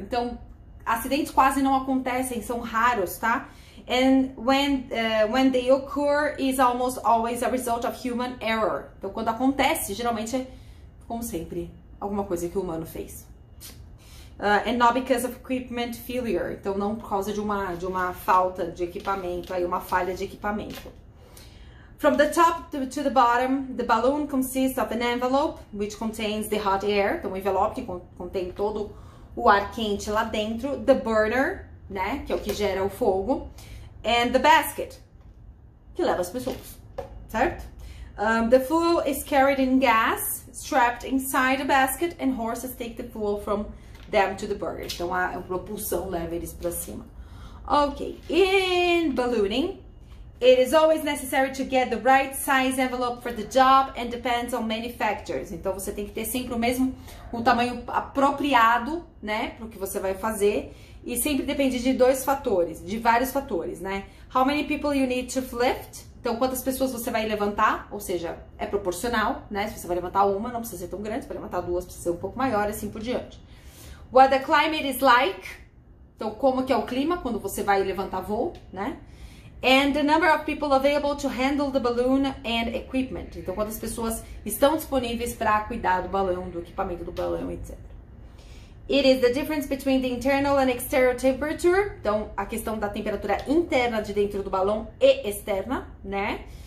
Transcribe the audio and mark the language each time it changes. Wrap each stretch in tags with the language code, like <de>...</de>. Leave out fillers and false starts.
<pt>Então, acidentes quase não acontecem, são raros, tá?</pt> <en>And when they occur, is almost always a result of human error.</en> <pt>Então, quando acontece, geralmente é, como sempre, alguma coisa que o humano fez.</pt> <en>And not because of equipment failure.</en> <pt>Então, não por causa de uma falta de equipamento, aí uma falha de equipamento.</pt> <en>From the top to the bottom, the balloon consists of an envelope, which contains the hot air.</en> <pt>Então, um envelope que contém todo o ar quente lá dentro,</pt> <en>the burner,</en> <pt>né, que é o que gera o fogo,</pt> <en>and the basket,</en> <pt>que leva as pessoas, certo?</pt> <en>The fuel is carried in gas, strapped inside a basket, and horses take the fuel from them to the burner.</en> <pt>Então, a propulsão leva eles para cima.</pt> <en>Okay, in ballooning, it is always necessary to get the right size envelope for the job and depends on many factors.</en> <pt>Então, você tem que ter sempre o tamanho apropriado, né, para o que você vai fazer. E sempre depende de vários fatores, né?</pt> <en>How many people you need to lift?</en> <pt>Então, quantas pessoas você vai levantar, ou seja, é proporcional, né? Se você vai levantar uma, não precisa ser tão grande, se vai levantar duas, precisa ser um pouco maior, assim por diante.</pt> <en>What the climate is like,</en> <pt>então como que é o clima quando você vai levantar voo, né?</pt> <en>And the number of people available to handle the balloon and equipment.</en> <pt>Então, quantas pessoas estão disponíveis para cuidar do balão, do equipamento do balão, etc.</pt> <en>It is the difference between the internal and external temperature.</en> <pt>Então, a questão da temperatura interna de dentro do balão e externa, né?</pt>